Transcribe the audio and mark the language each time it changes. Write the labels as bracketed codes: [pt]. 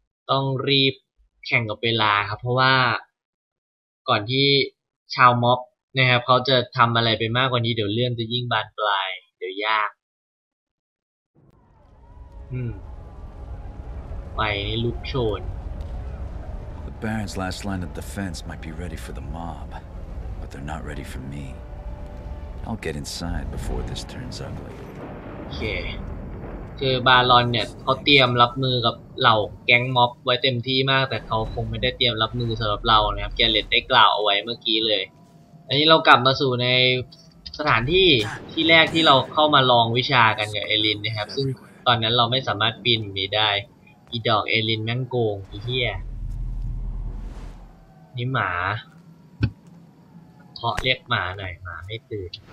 [th] ต้องรีบแข่งกับเวลาครับเพราะว่าก่อนที่ชาวม็อบนะครับเขาจะทำอะไรไปมากกว่านี้เดี๋ยวเลื่อนจะยิ่งบานปลายเดี๋ยวยากไปนี่ลุกโชน [en] Baron's last line of defense might be ready for the mob, but they're not ready for me. I'll get inside before this turns ugly. Okay. [th] คือบาลอนเนี่ยเขาเตรียมรับมือกับเหล่าแก๊งม็อบไว้เต็มที่มากแต่เขาคงไม่ได้เตรียมรับมือสำหรับเรานะครับเกเรตได้กล่าวเอาไว้เมื่อกี้เลยอันนี้เรากลับมาสู่ในสถานที่ที่แรกที่เราเข้ามาลองวิชากันกับเอลินนะครับซึ่งตอนนั้นเราไม่สามารถปีนมีได้อีดอกเอลินแม่งโกงอีเหี้ยนี่หมาเคาะเรียกหมาหน่อยหมาไม่ตื่น